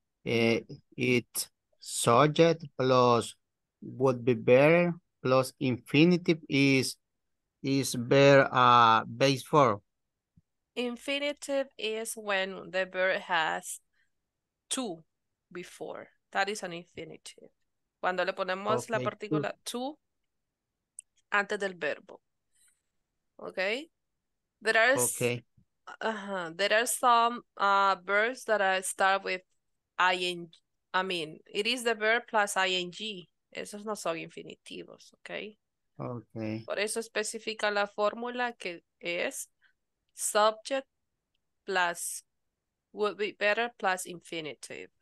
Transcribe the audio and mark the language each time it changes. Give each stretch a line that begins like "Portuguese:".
English: It's subject plus would be better plus infinitive is better base form. Infinitive is when the verb has two before. That is an infinitive.
Spanish: Cuando le ponemos la partícula two antes del verbo.
English: Okay? There are some verbs that start with ing. I mean, it is the verb plus ing.
Spanish: Esos no son infinitivos. Okay?
English: Okay.
Spanish: Por eso especifica la fórmula que es
English: subject plus would be better plus infinitive.